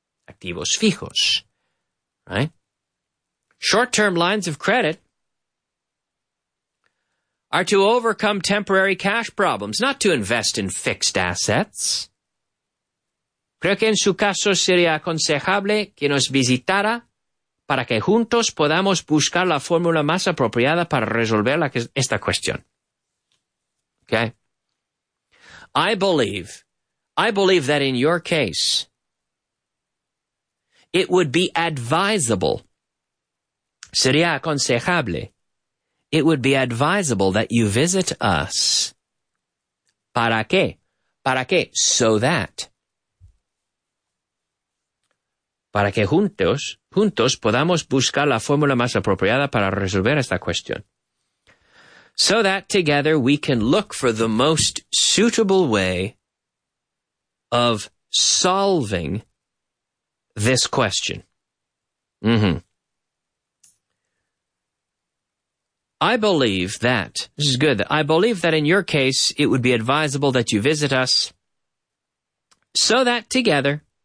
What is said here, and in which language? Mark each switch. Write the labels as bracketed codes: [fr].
[es] Activos fijos. [en] Right? Short-term lines of credit are to overcome temporary cash problems, not to invest in fixed assets. [es] Creo que en su caso sería aconsejable que nos visitara para que juntos podamos buscar la fórmula más apropiada para resolver esta cuestión. [en] Okay. I believe that in your case, it would be advisable, [es] sería aconsejable, [en] it would be advisable that you visit us. [es] ¿Para qué? ¿Para qué? [en] So that. [es] Para que juntos podamos buscar la fórmula más apropiada para resolver esta cuestión. [en] So that together we can look for the most suitable way of solving this question. Mm-hmm. I believe that in your case it would be advisable that you visit us so that together